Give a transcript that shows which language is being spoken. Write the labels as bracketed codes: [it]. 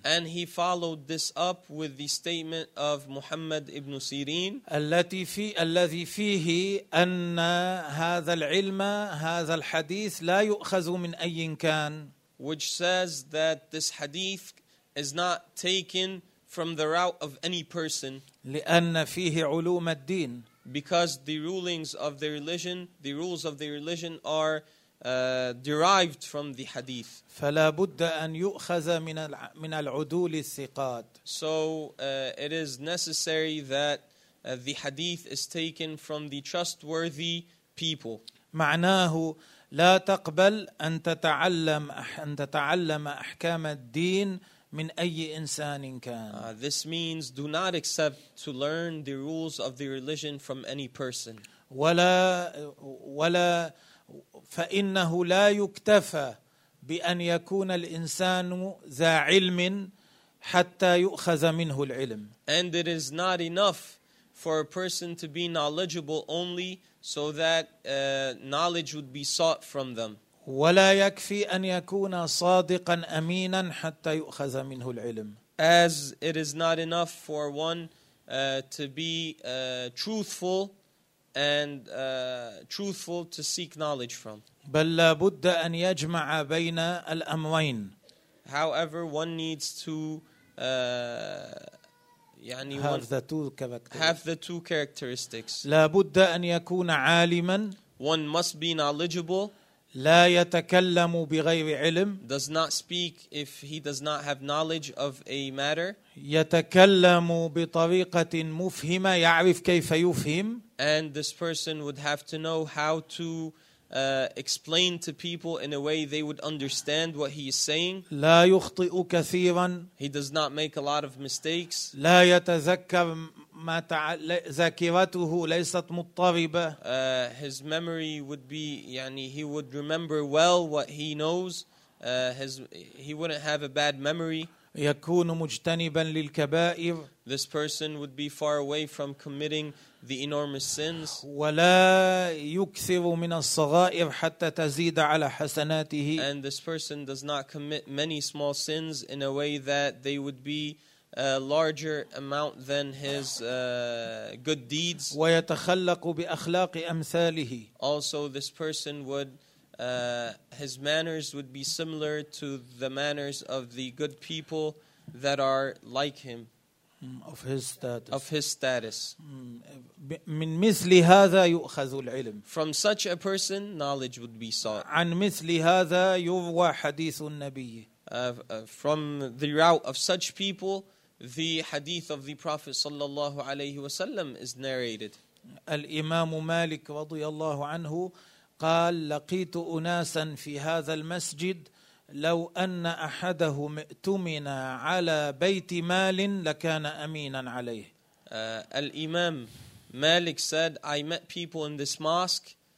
[en] And he followed this up with the statement of Muhammad ibn Sirin. [ar] الذي فيه أن هذا العلم هذا الحديث لا يؤخذ من أي كان. [en] Which says that this hadith is not taken from the route of any person. [ar] لأن فيه علوم الدين. [en] Because the rulings of the religion, the rules of the religion are derived from the hadith. [ar] فلا بد أن يؤخذ من العدول الثقات. [en] So it is necessary that the hadith is taken from the trustworthy people. [ar] معناه لا تقبل أن تتعلم أحكام الدين من أي إنسان كان. [en] This means do not accept to learn the rules of the religion from any person. [ar] ولا فإنه لا يكتفى بأن يكون الإنسان ذا علم حتى يؤخذ منه العلم. [en] And it is not enough for a person to be knowledgeable only so that knowledge would be sought from them. [ar] ولا يكفي أن يكون صادقا أمينا حتى يؤخذ منه العلم. [en] As it is not enough for one to be truthful and truthful to seek knowledge from. [ar] بل لا بد أن يجمع بين الأمرين. [en] However, one needs to have the two characteristics. [ar] لا بد أن يكون عالما. [en] One must be knowledgeable. [ar] لا يتكلم بغير علم. [en] Does not speak if he does not have knowledge of a matter. [ar] يتكلم بطريقة مفهمة يعرف كيف يفهم. [en] And this person would have to know how to explain to people in a way they would understand what he is saying. [ar] لا يخطئ كثيرا. [en] He does not make a lot of mistakes. [ar] لا يتذكر ما ذاكرته ليست مضطربة. [en] His memory would be, يعني he would remember well what he knows. He wouldn't have a bad memory. [ar] يكون مجتنبا للكبائر. [en] This person would be far away from committing the enormous sins. [ar] ولا يكثر من الصغائر حتى تزيد على حسناته. [en] And this person does not commit many small sins in a way that they would be a larger amount than his good deeds. [ar] ويتخلق بأخلاق أمثاله. [en] Also, this person would, his manners would be similar to the manners of the good people that are like him. Of his status. Of his status. [ar] من مثل هذا يؤخذ العلم. [en] From such a person, knowledge would be sought. [ar] عن مثل هذا يروى حديث النبي. [en] From the route of such people, the hadith of the Prophet [ar] sallallahu alayhi wa sallam [en] is narrated. [ar] الإمام مالك رضي الله عنه قال لقيت أناسا في هذا المسجد لو أن أحدهم ائتمن على بيت مال لكان أمينا عليه. [en] الإمام مالك said, I met people in this mosque.